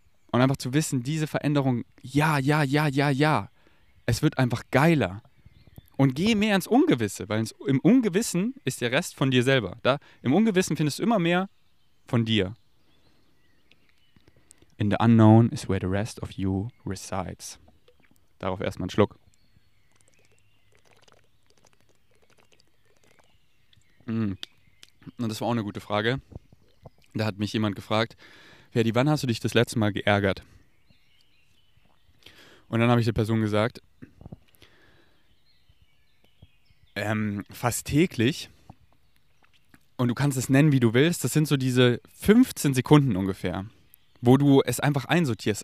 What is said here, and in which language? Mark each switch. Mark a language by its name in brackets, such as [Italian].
[German] Und einfach zu wissen, diese Veränderung, ja, ja, ja, ja, ja, es wird einfach geiler. Und geh mehr ins Ungewisse, weil im Ungewissen ist der Rest von dir selber. Da, im Ungewissen findest du immer mehr von dir. [English] In the unknown is where the rest of you resides. [German] Darauf erstmal einen Schluck. Und das war auch eine gute Frage. Da hat mich jemand gefragt, Ferdi, wann hast du dich das letzte Mal geärgert? Und dann habe ich der Person gesagt, fast täglich, und du kannst es nennen, wie du willst, das sind so diese 15 Sekunden ungefähr, wo du es einfach einsortierst.